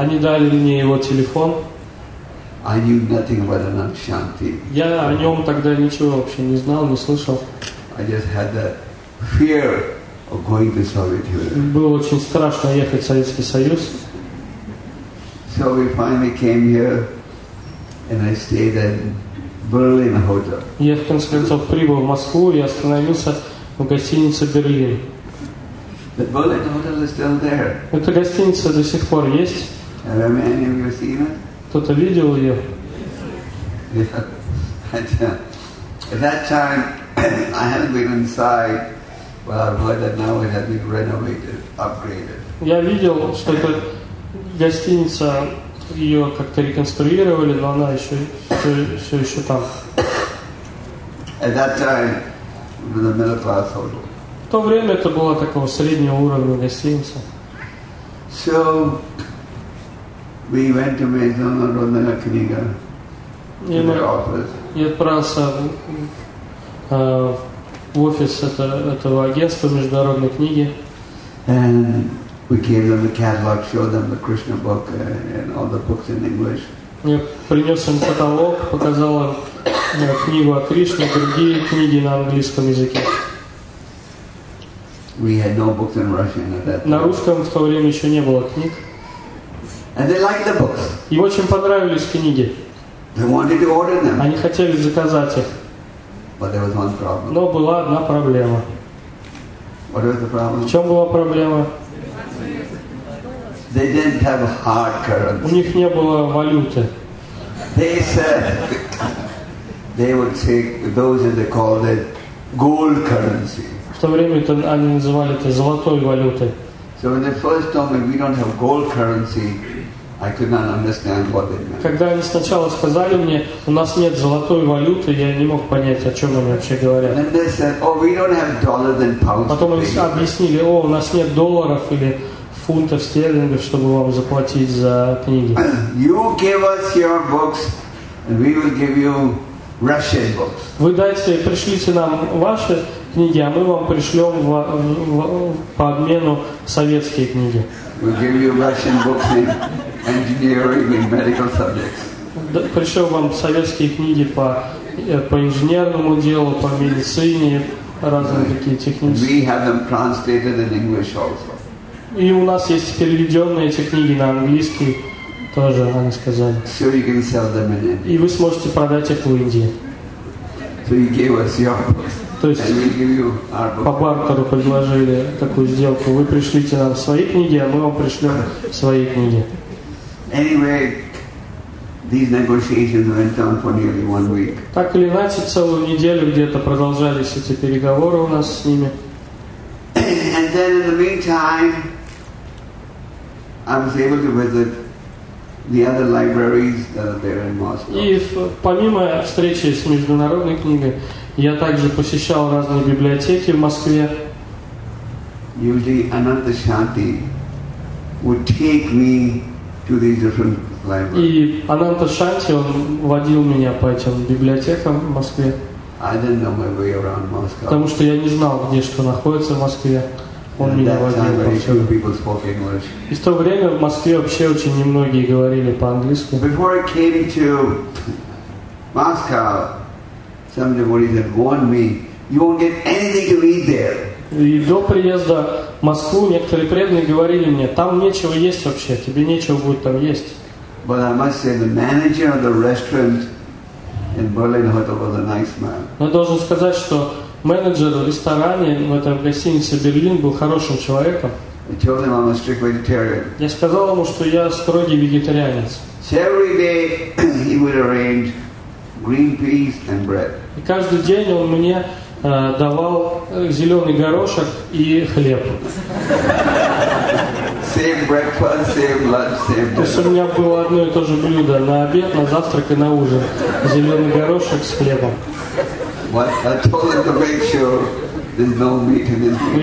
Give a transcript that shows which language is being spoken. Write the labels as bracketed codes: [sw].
[ru] Они дали мне его телефон. [en] I knew nothing about Ananta Shanti. [ru] Я о нем тогда ничего вообще не знал, не слышал. [en] I just had the fear of going to Soviet Union. [ru] Было очень страшно ехать в Советский Союз. [en] So we finally came here. And I stayed in Berlin hotel. [ru] Я в конце концов прибыл в Москву и остановился в гостинице Берлин. [en] The Berlin hotel is still there. [ru] Эта гостиница до сих пор есть. [en] Have any of you seen it? [ru] Кто-то видел ее? [en] Yeah. At that time, I hadn't been inside, but I've heard that now it has been renovated, upgraded. [ru] Я видел, что это гостиница, ее как-то реконструировали, но она еще все еще там. [en] At that time, in the middle class hotel. [ru] В то время это была такого среднего уровня гостиница. [en] So we went to Maison Rodena Knigga in their office. [ru] Я отправился в офис этого агентства международной книги. [en] And we gave them the catalog, showed them the Krishna book and all the books in English. [ru] Я принес им каталог, показал им книгу о Кришне, другие книги на английском языке. [en] We had no books in Russian at that time. [ru] На русском в то время еще не было книг. [en] And they liked the books. [ru] Им очень понравились книги. [en] They wanted to order them. [ru] Они хотели заказать их. [en] But there was one problem. [ru] Но была одна проблема. [en] What was the problem? [ru] В чем была проблема? [en] They didn't have hard currency. [ru] У них не было валюты. [en] They said they would take those that they called it gold currency. [ru] В то время это они называли это золотой валютой. [en] So when they first told me we don't have gold currency, I could not understand what they meant. [ru] Когда они сначала сказали мне, у нас нет золотой валюты, я не мог понять, о чем они вообще говорят. [en] And they said, oh, we don't have dollars and pounds. [ru] Потом они объяснили, о, у нас нет долларов или фунтов стерлингов, чтобы вам заплатить за книги. [en] You give us your books, and we will give you Russian books. [ru] Вы дайте, пришлите нам ваши книги, а мы вам пришлем по обмену советские книги. [en] We give you Russian books in engineering and medical subjects. [ru] Пришлем вам советские книги по инженерному делу, по медицине, разные такие технические. [en] We have them translated in English also. [ru] И у нас есть переведенные эти книги на английский, тоже они сказали. [en] So you can sell them in [ru] и вы сможете продать их в Индии. [en] So you gave us your books. [ru] То есть [en] and we give you our books. [ru] По бартеру предложили такую сделку. Вы пришлите нам свои книги, а мы вам пришлем свои книги. [en] Anyway, these negotiations went on for nearly one week. [ru] Так или иначе, целую неделю где-то продолжались эти переговоры у нас с ними. [en] And then in the meantime, I was able to visit the other libraries that are there in Moscow. [ru] И помимо встречи с международной книгой, я также посещал разные библиотеки в Москве. [en] Usually Ananda Shanti would take me to these different libraries. [ru] И Ананда Шанти он водил меня по этим библиотекам в Москве. [en] I didn't know my way around Moscow. [ru] Потому что я не знал, где что находится в Москве. Он меня водил. И в то время в Москве вообще очень немногие говорили по-английски. [en] Before I came to Moscow, some devotees had warned me, you won't get anything to eat there. [ru] И до приезда в Москву некоторые преданные говорили мне, там нечего есть вообще, тебе нечего будет там есть. [en] But I must say, the manager of the restaurant in Berlin Hotel was a nice man. [ru] Но я должен сказать, что менеджер в ресторане в этом гостинице Берлин был хорошим человеком. [en] I told him I'm a strict vegetarian. [ru] Я сказал ему, что я строгий вегетарианец. [en] So every day he would arrange green peas and bread. [ru] И каждый день он мне давал зеленый горошек и хлеб. [en] Same breakfast, same lunch, same dinner. [ru] То есть у меня было одно и то же блюдо на обед, на завтрак и на ужин. Зеленый горошек с хлебом. [en] What? I told him to make sure there's no meat in this.